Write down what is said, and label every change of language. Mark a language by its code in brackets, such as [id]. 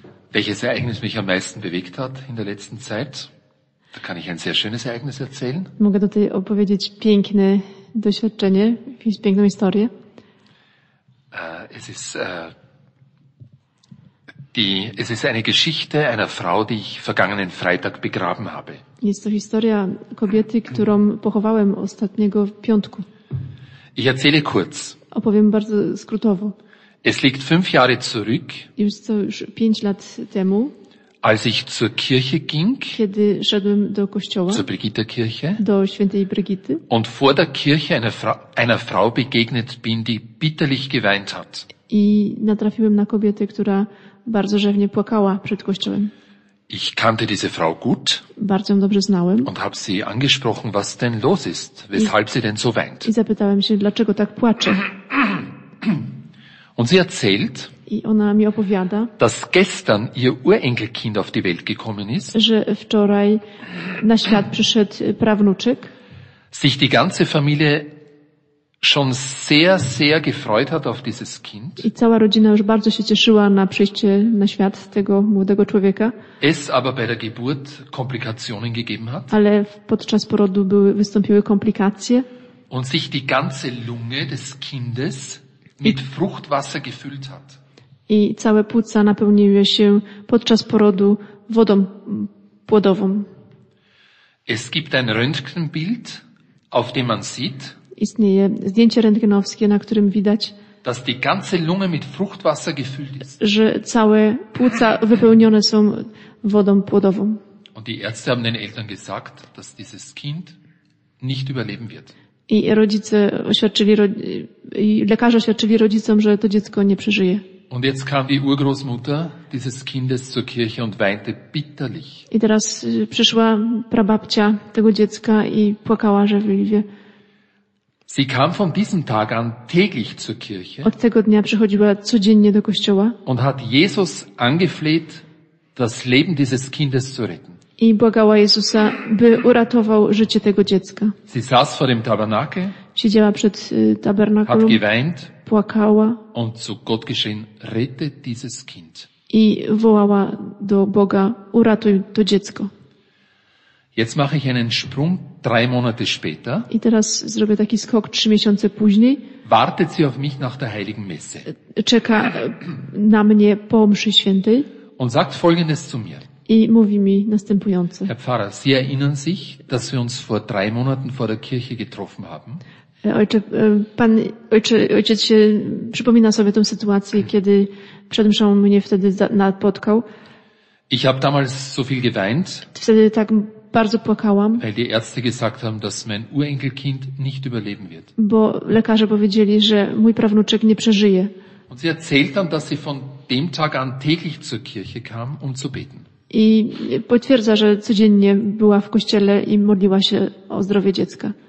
[de] Welches Ereignis mich am meisten bewegt hat in der letzten Zeit? Da kann ich ein sehr schönes Ereignis erzählen. [pl] Mogę tutaj opowiedzieć piękne doświadczenie, piękną historię. [de] Es ist eine Geschichte einer Frau, die ich vergangenen Freitag begraben habe. [pl] Jest to historia kobiety, którą pochowałem ostatniego piątku. [de] Ich erzähle kurz. [pl] Opowiem bardzo skrótowo. [de] Es liegt 5 Jahre zurück. [pl] Jest to już 5 lat temu. [de] Als ich zur Kirche ging. [pl] Kiedy szedłem do kościoła. [de] Zur Brigitta-Kirche. [pl] Do świętej Brigitty. [de] Und vor der Kirche einer Frau begegnet bin, die bitterlich geweint hat. [pl] I natrafiłem na kobietę, która bardzo rzewnie płakała przed kościołem. [de] Ich kannte diese Frau gut. [pl] Bardzo ją dobrze znałem. [de] Und habe sie angesprochen, was denn los ist, weshalb sie denn so weint. [pl] I zapytałem się, dlaczego tak płacze. [de] Und sie erzählt, [pl] i ona mi opowiada, [de] dass gestern ihr Urenkelkind auf die Welt gekommen ist, [pl] że wczoraj na świat przyszedł prawnuczek, [de] sich die ganze Familie schon sehr, sehr gefreut hat auf dieses Kind. [pl] I cała rodzina już bardzo się cieszyła na przyjście na świat tego młodego człowieka. [de] Es aber bei der Geburt Komplikationen gegeben hat. [pl] Ale podczas porodu wystąpiły komplikacje. [de] Und sich die ganze Lunge des Kindes mit Fruchtwasser gefüllt hat. [pl] I całe płuca napełniły się podczas porodu wodą płodową. [de] Es gibt ein Röntgenbild, auf dem man sieht, [pl] istnieje zdjęcie rentgenowskie, na którym widać, [de] dass die ganze Lunge mit Fruchtwasser gefüllt ist. [pl] Że całe płuca wypełnione są wodą płodową. [de] Und die Ärzte haben den Eltern gesagt, dass dieses Kind nicht überleben wird. [pl] I rodzice oświadczyli, i lekarze oświadczyli rodzicom, że to dziecko nie przeżyje. [de] Und jetzt kam die Urgroßmutter dieses Kindes zur Kirche und weinte bitterlich. [pl] I teraz przyszła prababcia tego dziecka i płakała żałośnie. [de] Sie kam von diesem Tag an täglich zur Kirche. [pl] Od tego dnia przychodziła codziennie do kościoła. [de] Und hat Jesus angefleht, das Leben dieses Kindes zu retten. [pl] I błagała Jezusa, by uratował życie tego dziecka. [de] Sie saß vor dem Tabernakel. [pl] Siedziała przed tabernakulum. [de] Hat geweint. [pl] Płakała. [de] Und zu Gott geschrien, rette dieses Kind. [pl] I wołała do Boga, uratuj to dziecko. [de] Jetzt mache ich einen Sprung, 3 Monate später. [pl] I teraz zrobię taki skok 3 miesiące później. [de] Wartet sie auf mich nach der Heiligen Messe. [pl] Czeka na mnie po mszy świętej. [de] Und sagt folgendes zu mir. [pl] I mówi mi następujące. [de] Herr Pfarrer, Sie erinnern sich, dass wir uns vor 3 Monaten vor der Kirche getroffen haben. [pl] Ojcze, pan, ojcze, ojciec się przypomina sobie tę sytuację, kiedy przed mszą mnie wtedy napotkał. [de] Ich habe damals so viel geweint. [pl] Wtedy tak bardzo płakałam. [de] Weil die Ärzte gesagt haben, dass mein Urenkelkind nicht überleben wird. [pl] Bo lekarze powiedzieli, że mój prawnuczek nie przeżyje. [de] Und sie erzählt dann, dass sie von dem Tag an täglich zur Kirche kam, um zu beten. [pl] I potwierdza, że codziennie była w kościele i modliła się o zdrowie dziecka.